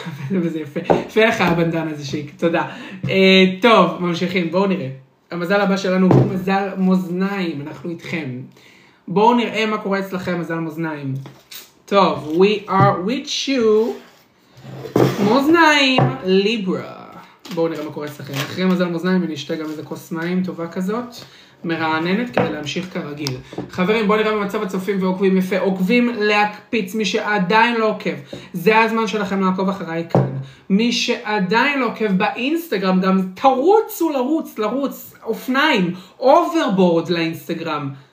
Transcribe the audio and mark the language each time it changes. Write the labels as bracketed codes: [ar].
[he] וזה יפה. יפה לך הבנדנה הזה שיק, תודה. טוב, ממשיכים, בואו נראה. המזל הבא שלנו הוא מזל מוזניים, אנחנו איתכם. בואו נראה מה קורה אצלכם, מזל מוזניים. טוב, [en] we are with you. [he] מוזניים, ליברה. בואו נראה מה קורה אצלכם. אחרי מזל מוזניים אני אשתה גם איזה כוס מים טובה כזאת, מרעננת כדי להמשיך כרגיל. חברים, בואו נראה במצב הצופים ועוקבים יפה. עוקבים להקפיץ, מי שעדיין לא עוקב. זה הזמן שלכם לעקוב אחריי כאן. מי שעדיין לא עוקב באינסטגרם, גם תרוצו לרוץ, לרוץ, אופניים, אוברבורד לאינסטגרם.